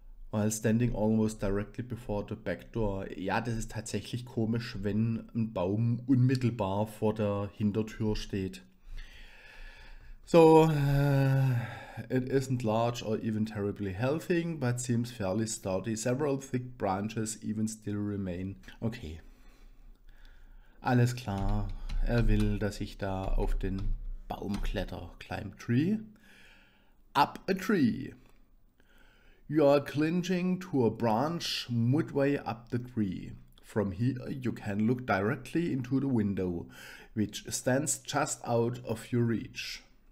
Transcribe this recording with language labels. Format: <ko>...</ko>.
<en>While standing almost directly before the back door.</en> <de>Ja, das ist tatsächlich komisch, wenn ein Baum unmittelbar vor der Hintertür steht.</de> <en>So, it isn't large or even terribly healthy, but seems fairly sturdy. Several thick branches even still remain. Okay.</en> <de>Alles klar. Er will, dass ich da auf den Baum kletter.</de> <en>Climb tree. Up a tree. You are clinging to a branch midway up the tree. From here you can look directly into the window, which stands just out of your reach.</en>